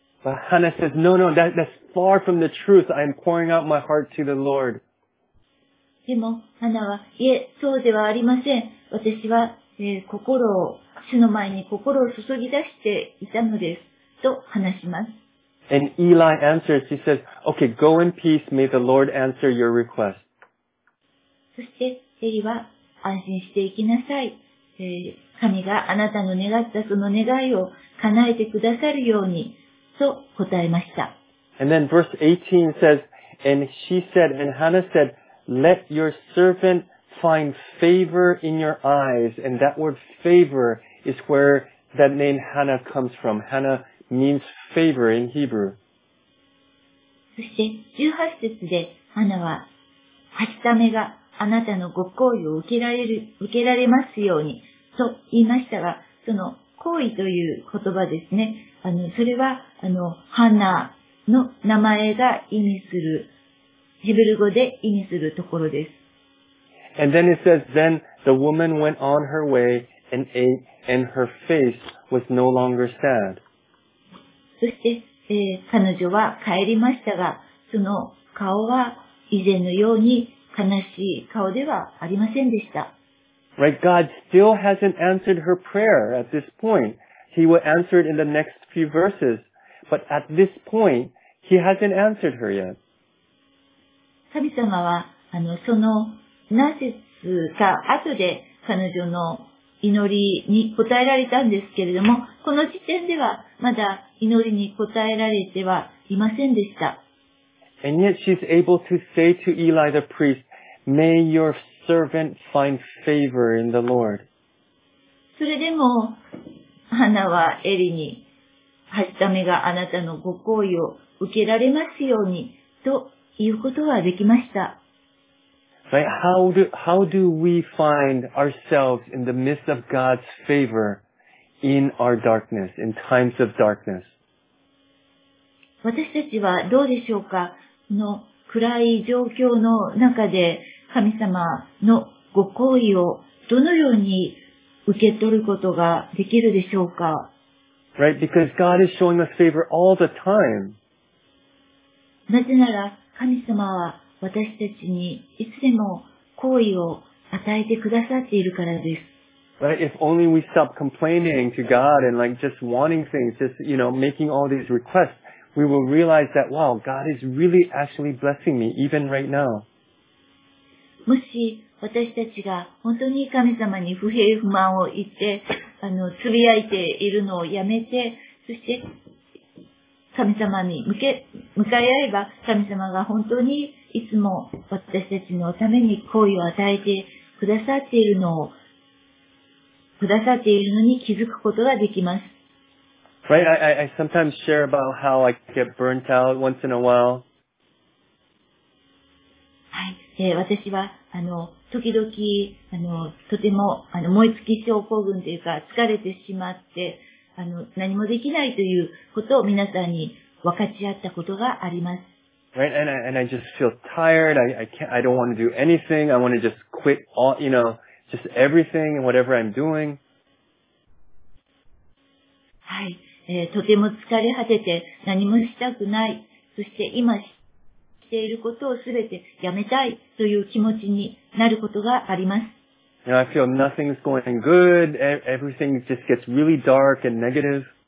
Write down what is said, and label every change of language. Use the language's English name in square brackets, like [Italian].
[English] But Hannah says, no, no, that's far from the truth. I am pouring out my heart to the Lord. [Japanese] でも、Hannah は、いえ、そうではありません。私は、主の前に心を注ぎ出していたのです。と話します。 [English] And Eli answers, he says, okay, go in peace. May the Lord answer your request. [Japanese] そして、エリは、安心していきなさい。神があなたの願ったその願いを叶えてくださるように。と答えました。 [English] And then verse 18 says, and she said, and Hannah said, let your servant find favor in your eyes. And that word favor is where that name Hannah comes from. Hannah means favor in Hebrew. [Japanese] そして18節で Hannah は、はしためがあなたのご好意を受けられますようにと言いましたが、その行為という言葉ですね。それは、ハナの名前が意味する、ヘブル語で意味するところです。 [English] And then it says, then the woman went on her way and ate, and her face was no longer sad. [Japanese] そして、彼女は帰りましたが、その顔は以前のように悲しい顔ではありませんでした。 [English] Right, God still hasn't answered her prayer at this point. He will answer it in the next few verses. But at this point, He hasn't answered her yet. [Japanese] 神様は、そのなぜか後で彼女の祈りに答えられたんですけれども、この時点ではまだ祈りに答えられてはいませんでした。 [English] And yet she's able to say to Eli the priest, May your servant find favor in the Lord. [Japanese] それでも、ハナはエリに、はじためがあなたのご好意を受けられますようにと言うことはできました。 [English] Right, how do we find ourselves in the midst of God's favor in our darkness, in times of darkness? [Japanese] 私たちはどうでしょうか?の暗い状況の中で神様のご好意をどのように受け取ることができるでしょうか? [English] Right, because God is showing us favor all the time. [Japanese] なぜなら神様は私たちにいつでも好意を与えてくださっているからです。 [English] Right, if only we stop complaining to God and like just wanting things, just, you know, making all these requests, we will realize that, wow, God is really actually blessing me, even right now. [Japanese] もし私たちが本当に神様に不平不満を言って、つぶやいているのをやめて、そして神様に向かい合えば、神様が本当にいつも私たちのために好意を与えてくださっているのをくださっているのに気づくことができます。 [English] Right, I sometimes share about how I get burnt out once in a while. [Japanese] はい、私は時々とても燃え尽き症候群というか疲れてしまって何もできないということを皆さんに分かち合ったことがあります。 [English] Right, and I just feel tired. I don't want to do anything. I want to just quit all, you know, just everything and whatever I'm doing. [Japanese] はい、とても疲れ果てて何もしたくない。そして今していることをすべてやめたいという気持ちになることがあります。 [English] You know, I feel nothing's going good. Everything just gets really dark and negative.